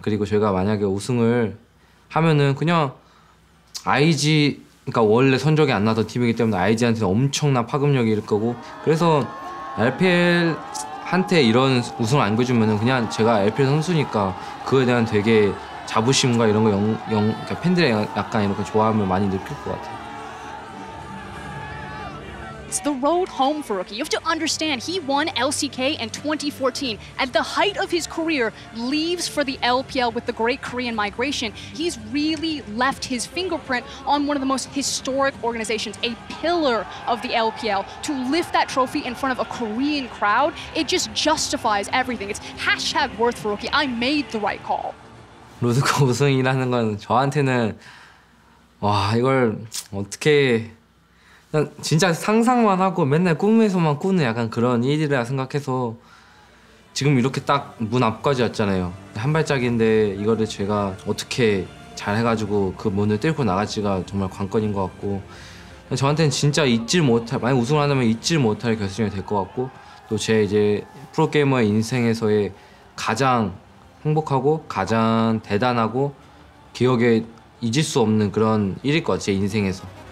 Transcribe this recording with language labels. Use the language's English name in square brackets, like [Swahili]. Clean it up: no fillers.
[Korean] 그리고 저희가 만약에 우승을 하면은 그냥 IG, 그러니까 원래 선적이 안 나던 팀이기 때문에 IG한테는 엄청난 파급력이 일 거고 그래서 LPL한테 이런 우승을 안겨주면은 그냥 제가 LPL 선수니까 그거에 대한 되게 자부심과 이런 거 그러니까 팬들의 약간 이렇게 좋아함을 많이 느낄 것 같아요. [English] It's the road home for Rookie. You have to understand, he won LCK in 2014. At the height of his career, leaves for the LPL with the great Korean migration. He's really left his fingerprint on one of the most historic organizations, a pillar of the LPL. To lift that trophy in front of a Korean crowd, it just justifies everything. It's hashtag worth for Rookie. I made the right call. [Korean] 로드컵 우승이라는 건 저한테는 와 이걸 어떻게 그냥 진짜 상상만 하고 맨날 꿈에서만 꾸는 약간 그런 일이라 생각해서 지금 이렇게 딱 문 앞까지 왔잖아요. 한 발짝인데 이거를 제가 어떻게 잘 해가지고 그 문을 뚫고 나갈지가 정말 관건인 것 같고 저한테는 진짜 잊질 못할 만약 우승을 한다면 잊질 못할 결승이 될 것 같고 또 제 이제 프로게이머의 인생에서의 가장 행복하고 가장 대단하고 기억에 잊을 수 없는 그런 일일 것 같아요, 제 인생에서.